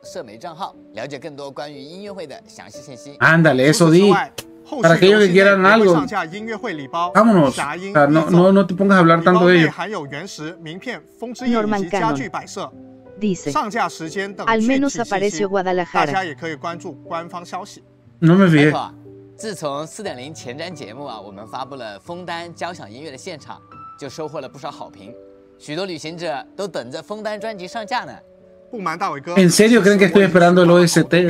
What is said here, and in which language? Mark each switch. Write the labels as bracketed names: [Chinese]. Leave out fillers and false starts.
[Chinese] 我已经替大家都看过实物了，可以说是非常让人期待。不过在不同地区，因为生产和运力的关系，周边内容的获取方式会略有差异。少数的地区存在延迟或非全品类上架的情况，这还请大家谅解。大家如果感兴趣的话，可以关注官方社媒账号，了解更多关于音乐会的详细信息。 [Spanish] Ándale, eso di. Para aquellos que quieran algo, vámonos. O sea, no te pongas a hablar tanto de ello. Norman Cannon dice: al menos apareció Guadalajara. No me fijé. [Chinese] 自从4.0 前瞻节目，我们发布了枫丹交响音乐的现场，就收获了不少好评。许多旅行者都等着枫丹专辑上架呢。不瞒大伟哥， [Spanish] ¿en serio creen que estoy esperando el OST?